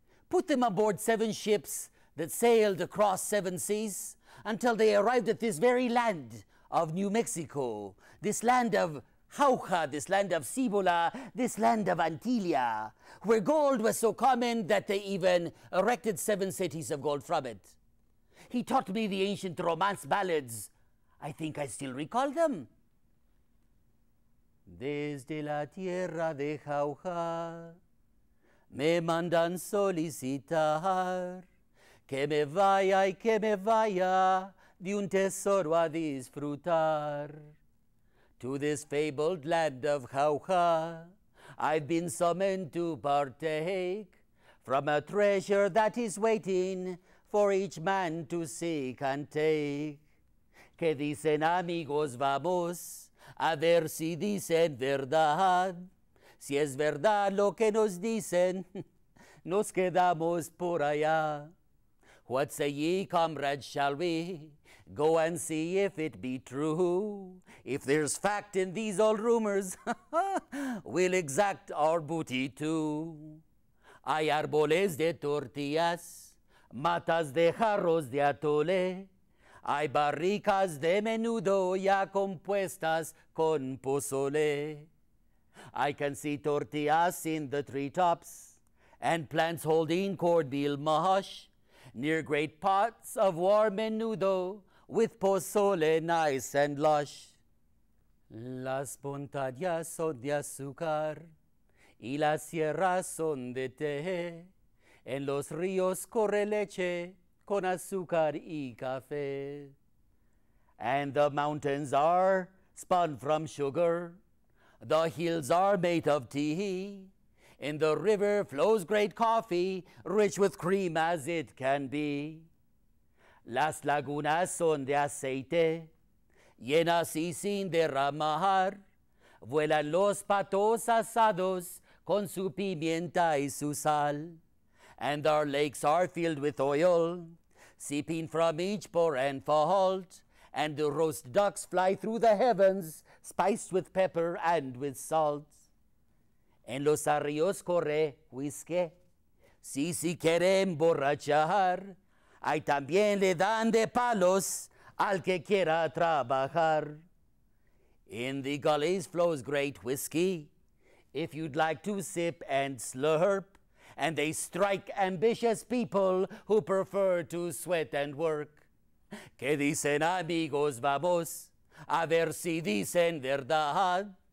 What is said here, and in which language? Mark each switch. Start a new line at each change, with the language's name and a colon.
English: put them aboard 7 ships that sailed across 7 seas until they arrived at this very land of New Mexico, this land of Jauja, this land of Cibola, this land of Antilia, where gold was so common that they even erected 7 cities of gold from it. He taught me the ancient romance ballads I think I still recall them.
Spanish: Desde la tierra de Jauja me mandan solicitar que me vaya de un tesoro a disfrutar.
English: To this fabled land of Jauja I've been summoned to partake from a treasure that is waiting for each man to seek and take.
Spanish: Que dicen amigos vamos a ver si dicen verdad. Si es verdad lo que nos dicen, nos quedamos por allá.
English: What say ye, comrade, shall we go and see if it be true? If there's fact in these old rumors, we'll exact our booty too.
Spanish: Hay árboles de tortillas, matas de jarros de atole. Hay barricas de menudo ya compuestas con pozole.
English: I can see tortillas in the treetops and plants holding cornmeal mush near great pots of warm menudo with pozole nice and lush.
Spanish: Las montañas son de azúcar y las sierras son de té. En los ríos corre leche con azúcar y café.
English: And the mountains are spun from sugar. The hills are made of tea. In the river flows great coffee, rich with cream as it can be.
Spanish: Las lagunas son de aceite, llenas y sin derramar. Vuelan los patos asados con su pimienta y su sal.
English: And our lakes are filled with oil, seeping from each pore and fault. And the roast ducks fly through the heavens, spiced with pepper and with salt.
Spanish: En los arrios corre whisky, si quiere emborrachar. Ay, también le dan de palos al que quiera trabajar.
English: In the gullies flows great whiskey, if you'd like to sip and slurp. And they strike ambitious people who prefer to sweat and work.
Spanish: ¿Qué dicen amigos vamos? A ver si dicen verdad.